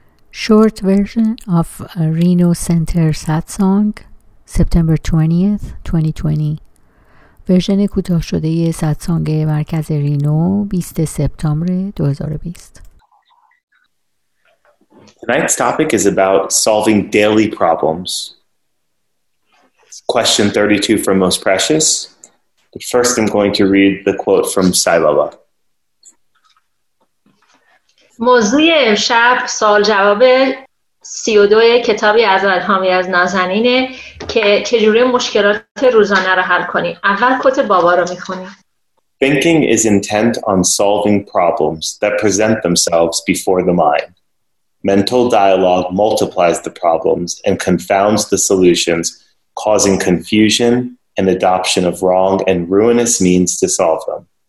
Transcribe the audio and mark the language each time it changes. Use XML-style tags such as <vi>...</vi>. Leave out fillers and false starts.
<en>Short version of Reno Center Satsang, September 20th, 2020.</en> <fa>ورژن کوتاه شده ی ستسانگ مرکز رینو 20 سپتامبر 2020.</fa> <en>Tonight's topic is about solving daily problems. Question 32 from Most Precious. But first I'm going to read the quote from Sai Baba.</en> <fa>موضوع امشب سوال جواب 32 کتابی از الهامی از نازنینه که چجوری مشکلات روزانه رو حل کنیم. اول کوت بابا رو میخونیم.</fa> <en>Thinking is intent on solving problems that present themselves before the mind. Mental dialogue multiplies the problems and confounds the solutions, causing confusion and adoption of wrong and ruinous means to solve them.</en>